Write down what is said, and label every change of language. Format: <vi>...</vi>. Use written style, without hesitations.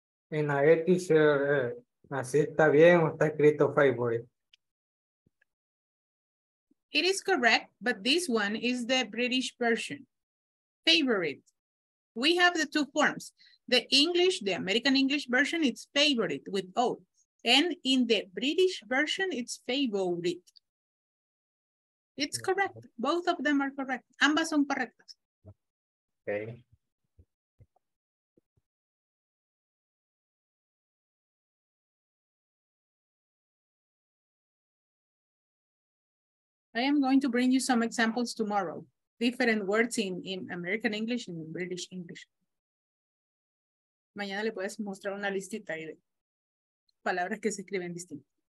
<es>En la teacher, así está bien o está escrito favorite.</es> <en>It is correct, but this one is the British version. Favorite. We have the two forms. The English, the American English version, it's favorite with O. And in the British version, it's favorite. It's correct. Both of them are correct.</en> <es>Ambas son correctas.</es> <en>Okay. I am going to bring you some examples tomorrow. Different words in American English and in British English.</en> <es>Mañana le puedes mostrar una listita ahí de palabras que se escriben distintas.</es>